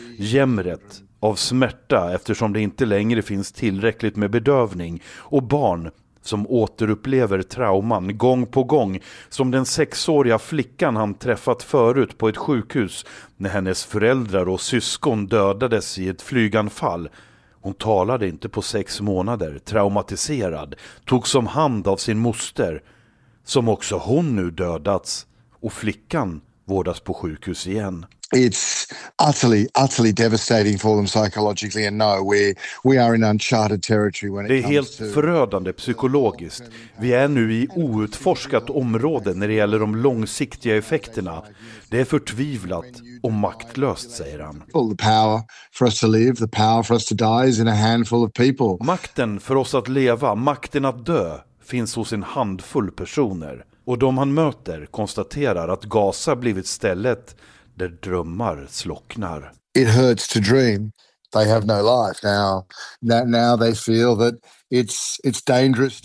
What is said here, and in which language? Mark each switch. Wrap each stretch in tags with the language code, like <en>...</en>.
<sv>Jämret av smärta eftersom det inte längre finns tillräckligt med bedövning, och barn som återupplever trauman gång på gång, som den sexåriga flickan han träffat förut på ett sjukhus när hennes föräldrar och syskon dödades i ett flyganfall. Hon talade inte på 6 månader, traumatiserad, tog som hand av sin moster, som också hon nu dödats, och flickan vårdas på sjukhus igen.</sv> <en>It's utterly, utterly devastating for them psychologically, and no, we are in uncharted territory when it comes to.</en> <sv>Det är helt förödande psykologiskt. Vi är nu i outforskat område när det gäller de långsiktiga effekterna. Det är förtvivlat och maktlöst, säger han.</sv> <en>The power for us to live, the power for us to die is in a handful of people.</en> <sv>Makten för oss att leva, makten att dö, finns hos en handfull personer. Och de han möter konstaterar att Gaza blivit stället där drömmar slocknar.</sv> <en>It hurts to dream. They have no life now. Now they feel that it's dangerous.</en>